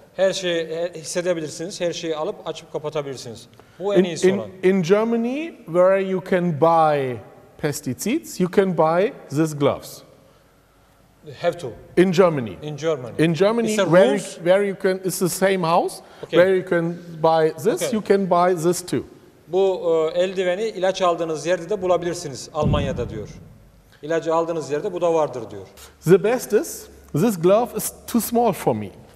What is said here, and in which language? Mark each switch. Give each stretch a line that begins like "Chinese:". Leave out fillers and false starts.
Turkish: Her şeyi hissedebilirsiniz. Her şeyi alıp açıp kapatabilirsiniz. Bu en iyisi olan.
English: In Germany, where you can buy pesticides, you can buy these gloves. Have to. In Germany. In Germany. In Germany, where you can, it's the same house, okay. Where you can buy this, okay. You can buy this too.
Turkish: Bu eldiveni ilaç aldığınız yerde de bulabilirsiniz Almanya'da diyor. İlacı aldığınız yerde bu da vardır diyor.
English: The best is this glove is too small for me.